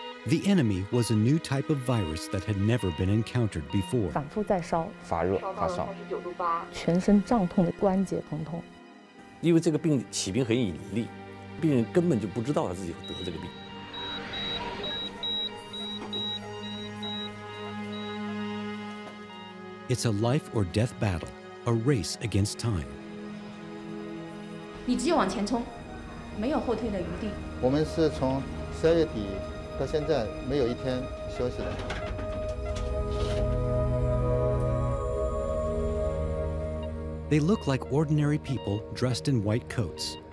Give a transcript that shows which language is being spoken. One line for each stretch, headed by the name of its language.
English: The enemy was a new type of virus that had never been encountered before.
Chinese: 反复在烧，发热，发烧，全身胀痛的关节疼痛。因为这个病起病很隐匿，病人根本就不知道他自己得这个病。
English: It's a life or death battle, a race against time.
Chinese: 你只有往前冲，没有后退的余地。我们是从12月底。到现在没有一天休息的。
English: They look like ordinary people dressed in white coats.